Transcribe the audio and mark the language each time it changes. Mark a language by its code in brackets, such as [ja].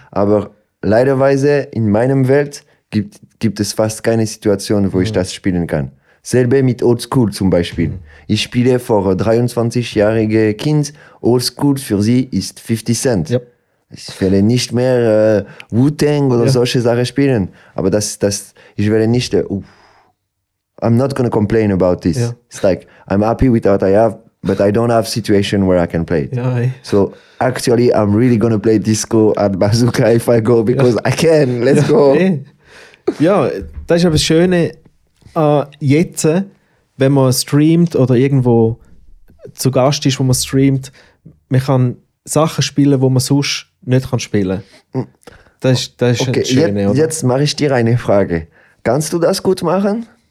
[de] aber leiderweise in meinem Welt gibt es fast keine Situation, wo ich das spielen kann. Selbe mit Old School zum Beispiel. Mhm. Ich spiele vor 23-jährigen Kind, Old School für sie ist 50 Cent. [en] Yep. [de] Ich werde nicht mehr Wu-Tang oder solche Sachen spielen. Aber das ich werde nicht. [en] I'm not gonna complain about this. Yeah. It's like, I'm happy with what I have, but I don't have a situation where I can play it. Yeah, so actually, I'm really gonna play disco at Bazooka if I go because I can. Let's go. [de] Hey. Ja, das ist aber das Schöne. Jetzt, wenn man streamt oder irgendwo zu Gast ist, wo man streamt, man kann Sachen spielen, die man sonst nicht spielen kann. Das ist okay. Schöne, jetzt mache ich dir eine Frage. Kannst du das gut machen?